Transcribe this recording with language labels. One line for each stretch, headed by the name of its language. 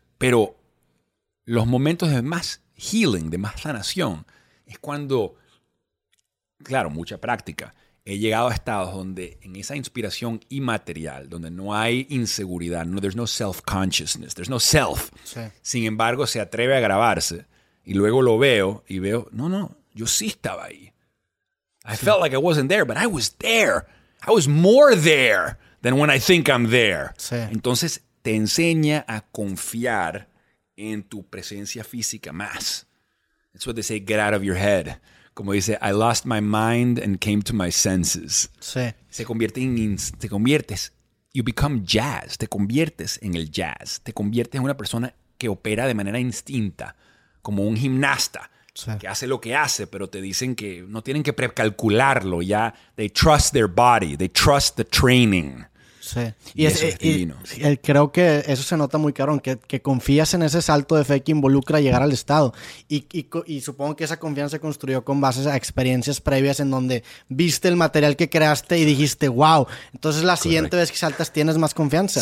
Spanish: Pero los momentos de más healing, de más sanación, es cuando, claro, mucha práctica, he llegado a estados donde en esa inspiración inmaterial, donde no hay inseguridad, no,
English: there's no self-consciousness, there's no self.
Spanish: Sí. Sin embargo, se atreve a grabarse y luego lo veo y veo, no, yo sí estaba ahí.
English: I felt like I wasn't there, but I was there. I was more there than when I think I'm there.
Spanish: Sí. Entonces, te enseña a confiar en tu presencia física más.
English: That's what they say, get out of your head.
Spanish: Como dice,
English: I lost my mind and came to my senses.
Spanish: Sí. Te conviertes en el jazz. Te conviertes en una persona que opera de manera instinta, como un gimnasta sí. que hace lo que hace, pero te dicen que no tienen que precalcularlo, ya.
English: They trust their body, they trust the training.
Spanish: Sí. Y eso es divino. Y creo que eso se nota muy caro, que confías en ese salto de fe que involucra llegar al estado. Y supongo que esa confianza se construyó con bases a experiencias previas en donde viste el material que creaste y dijiste, wow. Entonces la siguiente Correct. Vez que saltas tienes más confianza.